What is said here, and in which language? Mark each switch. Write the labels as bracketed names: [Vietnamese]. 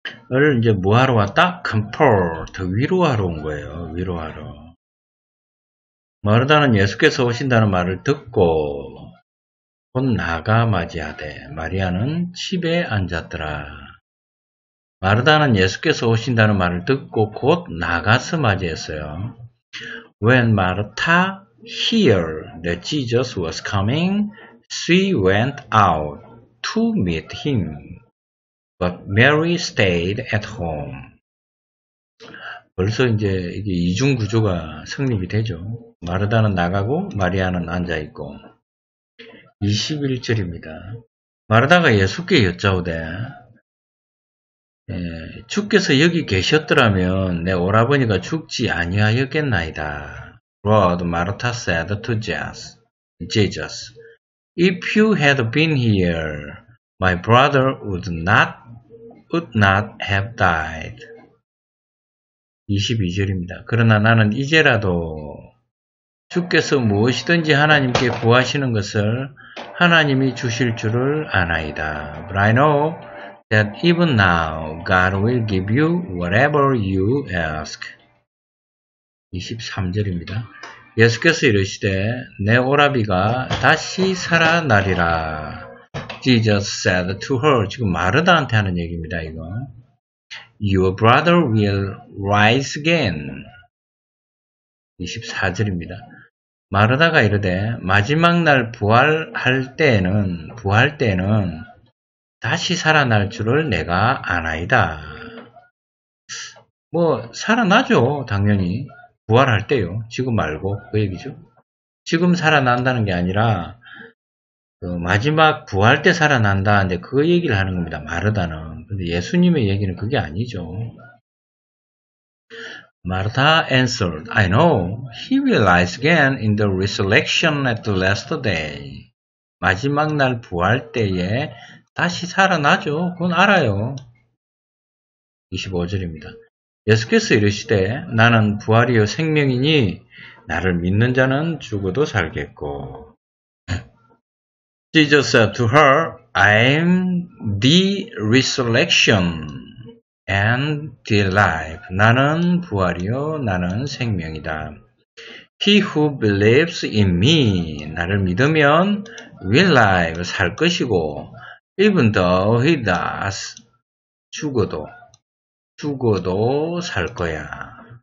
[Korean] 너를 이제 뭐 하러 왔다? 컴포트, 위로하러 온 거예요. 위로하러. 마르다는 예수께서 오신다는 말을 듣고 곧 나가 맞이하되 마리아는 집에 앉았더라. 마르다는 예수께서 오신다는 말을 듣고 곧 나가서 맞이했어요. [English] When Martha heard that Jesus was coming, she went out to meet him. But Mary stayed at home. [Korean] 벌써 이제 이게 이중 구조가 성립이 되죠. 마르다는 나가고 마리아는 앉아 있고. 21절입니다. 마르다가 예수께 여짜오되 주께서 여기 계셨더라면 내 오라버니가 죽지 아니하였겠나이다. [English] Lord, Martha said to Jesus, If you had been here, my brother would not have died. [Korean] 22절입니다. 그러나 나는 이제라도 주께서 무엇이든지 하나님께 구하시는 것을 하나님이 주실 줄을 아나이다. [English] But I know that even now God will give you whatever you ask. [Korean] 23절입니다. 예수께서 이르시되 내 오라비가 다시 살아나리라. [English] Jesus said to her. [Korean] 지금 마르다한테 하는 얘기입니다. 이거. [English] Your brother will rise again. [Korean] 24절입니다. 마르다가 이르되 마지막 날 부활 때에는 다시 살아날 줄을 내가 아나이다. 뭐 살아나죠, 당연히. 부활할 때요. 지금 말고 그 얘기죠. 지금 살아난다는 게 아니라 마지막 부활 때 살아난다는데 그 얘기를 하는 겁니다. 마르다는. 근데 예수님의 얘기는 그게 아니죠. [English] Martha answered, I know he will rise again in the resurrection at the last day. [Korean] 마지막 날 부활 때에 다시 살아나죠. 그건 알아요. 25절입니다. 예수께서 이르시되 나는 부활이요 생명이니 나를 믿는 자는 죽어도 살겠고. [English] Jesus said to her, I am the resurrection and the life. [Korean] 나는 부활이요 나는 생명이다. [English] He who believes in me, [Korean] 나를 믿으면 [English] will live, [Korean] 살 것이고, [English] even though he does, [Korean] 죽어도 살 거야.